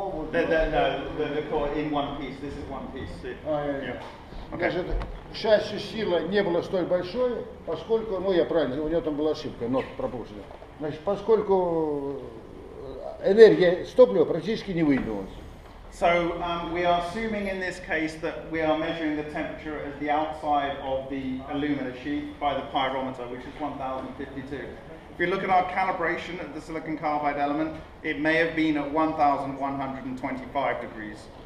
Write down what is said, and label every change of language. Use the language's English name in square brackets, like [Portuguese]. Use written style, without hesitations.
[English] The core in one piece, this is one piece. [Russian] Значит, к счастью, сила не была столь большой, поскольку... Ну, я правильно, у него там была ошибка, но пропущена. Значит, поскольку... Энергия с топлива практически не выделилась. [English] So we are assuming in this case that we are measuring the temperature at the outside of the alumina sheath by the pyrometer, which is 1052. If you look at our calibration of the silicon carbide element, it may have been at 1125 degrees.